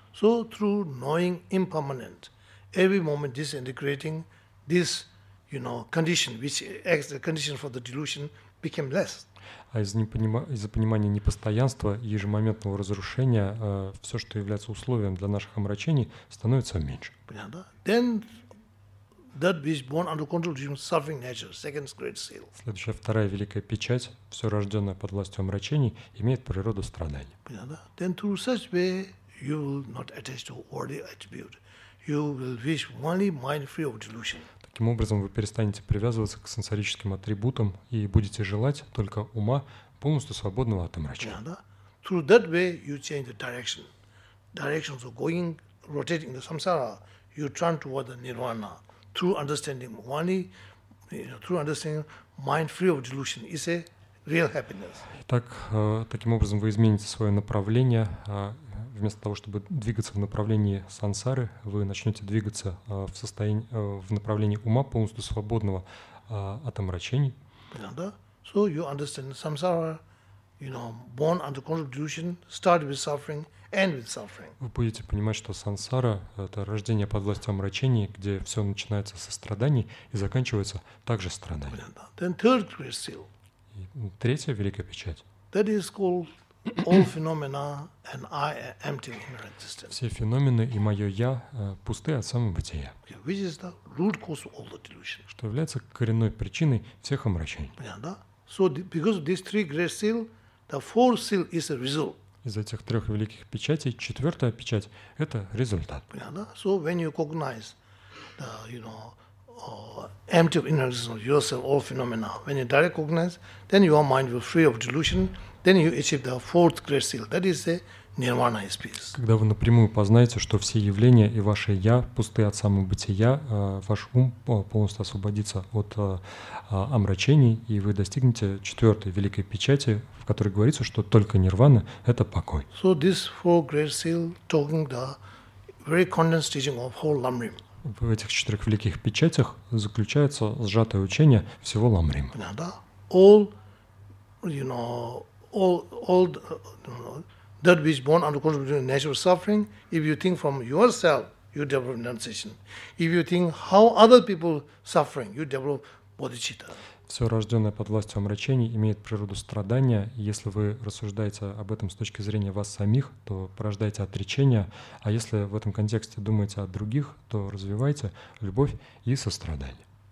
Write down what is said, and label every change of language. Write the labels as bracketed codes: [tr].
[en] So through knowing impermanent, every moment disintegrating, this, you know, condition which acts the condition for the delusion became less. [ru] А из-за понимания непостоянства и ежемоментного разрушения все, что является условием для наших омрачений, становится меньше. Понятно? [en] Then that which born under control of delusion, suffering nature, second great seal. [ru] Следующая, вторая великая печать, все рожденное под властью омрачений, имеет природу страданий. Понятно? [en] Then through such way you will not attach to worldly attribute. You will wish only mind free of delusion. [ru] Таким образом, вы перестанете привязываться к сенсорическим атрибутам и будете желать только ума, полностью свободного от омрачения. [en] Yeah, [ru] да? [en] Through that way you change the direction. Directions of going, rotating the samsara, you turn toward the nirvana. Through understanding only, you know, through understanding mind free of delusion is a real happiness. [ru] Итак, таким образом вы измените свое направление. Вместо того, чтобы двигаться в направлении сансары, вы начнете двигаться в направлении ума, полностью свободного от омрачений. Понятно, да? [en] So you understand samsara You know, born under conflict delusion, start with suffering, end with suffering. [ru] Вы будете понимать, что сансара — это рождение под властью омрачений, где все начинается со страданий и заканчивается также страданием. [en] Then third great seal. [ru] И третья великая печать. [en] That is called all phenomena and I empty ignorant existence. [ru] Все феномены и мое я пусты от самобытия. [en] Okay, which is the root cause of all the delusion. [ru] Что является коренной причиной всех омрачений. Понятно? [en] So because of these three great seal, the fourth seal is a result. [ru] Из этих трех великих печатей четвертая печать — это результат. Понятно? [en] So when you recognize the, you know, empty of inner existence of yourself, all phenomena, when you directly recognize, then your mind will free of delusion, then you achieve the fourth great seal, that is the nirvana is peace. [ru] Когда вы напрямую познаете, что все явления и ваше «я» пусты от самобытия, ваш ум полностью освободится от омрачений, и вы достигнете четвертой великой печати, в которой говорится, что только нирвана — это покой. [en] So this four great seal talking the very condensed teaching of whole Lamrim. [ru] В этих четырех великих печатях заключается сжатое учение всего Ламрима. Понятно? [en] All, you know, all that which born under conflict of natural suffering, if you think from yourself, you develop renunciation. If you think how other people suffering, you develop bodhicitta. [ru] Все рожденное под властью омрачений имеет природу страдания. Если вы рассуждаете об этом с точки зрения вас самих, то порождаете отречение. А если в этом контексте думаете о других, то развивайте любовь и сострадание.